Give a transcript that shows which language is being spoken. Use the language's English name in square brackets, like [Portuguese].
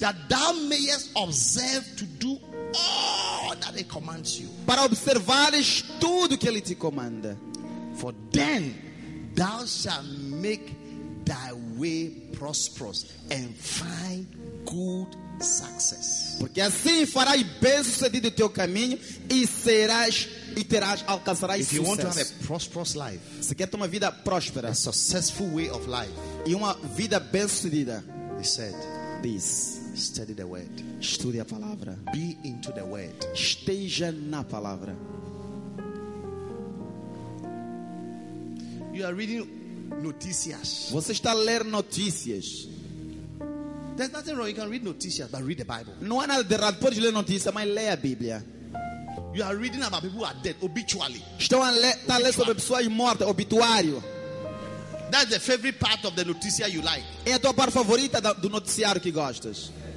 [English] That thou mayest observe to do all that he commands you. [Portuguese] Para observares tudo que ele te comanda. [English] For then thou shalt make thy way prosperous and find good success. [Portuguese] Porque assim farás bem sucedido o teu caminho e serás e terás alcançarás [English] If [Portuguese] sucesso. [English] You want to have a prosperous life, [Portuguese] se quer ter uma vida próspera, [English] a successful way of life, [Portuguese] e uma vida bem sucedida. [English] He said, "This study the word. [Portuguese] Estude a palavra. [English] Be into the word. [Portuguese] Esteja na palavra. [English] You are reading notícias. [Portuguese] Você está a ler notícias. [English] There's nothing wrong. You can read notícias, but read the Bible. [Portuguese] Não há nada de errado. Pode ler notícias, mas leia a Bíblia. [English] You are reading about people who are dead, obituary. [Portuguese] Estão a ler, está a ler sobre pessoas mortas, obituário. [English] That's the favorite part of the noticia you like. [Portuguese] É a tua parte favorita do noticiário que gostas.